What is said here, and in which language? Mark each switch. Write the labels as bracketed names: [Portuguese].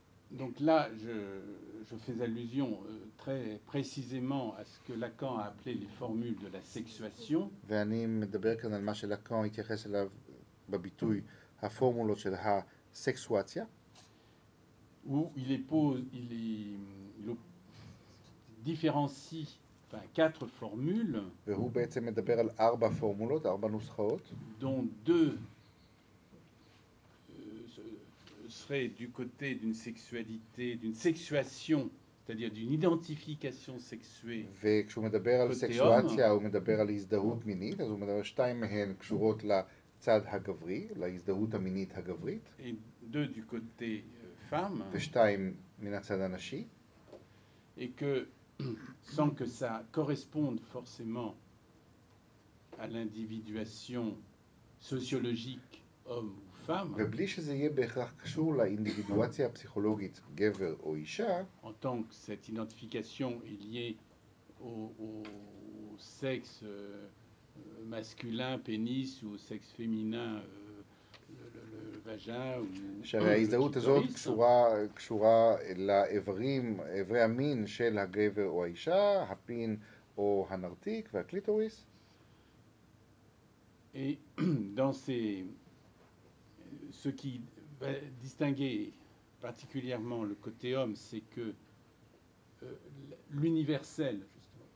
[French] Donc là, je fais allusion très précisément à ce que Lacan a appelé les formules de la sexuation. [Hebrew] ואני מדבר כאן על מה שלקאן התייחס אליו בביטוי, הפורמולות של הסקסואציה. [French] Où il pose, il différencie, enfin, quatre formules. [Hebrew] והוא בעצם מדבר על ארבע פורמולות, ארבע נוסחאות. [French] Dont deux serait du côté d'une sexualité, d'une sexuation, c'est-à-dire d'une identification sexuée. [Hebrew] וכשהוא מדבר על סקסואציה, הוא מדבר על הזדהות מינית, אז הוא מדבר שתיים מהן קשורות לצד הגברי, להזדהות המינית הגברית. [French] Et deux du côté femme. [Hebrew] ושתיים מן הצד הנשי. [French] Et que, sans que ça corresponde forcément à l'individuation sociologique homme ou femme, [Hebrew] ובלי שזה יהיה בהכרח קשור לאינדיבידואציה הפסיכולוגית גבר או אישה, [French] en tant que cette identification est liée au sexe masculin, pénis, ou au sexe féminin, le vagin, ou [Hebrew] שהרי ההזדהות הזאת קשורה לאיברים, איברי המין של הגבר או האישה, הפין או הנרתיק והקליטוריס. [French] Ce qui va distinguer particulièrement le côté homme, c'est que l'universel, justement.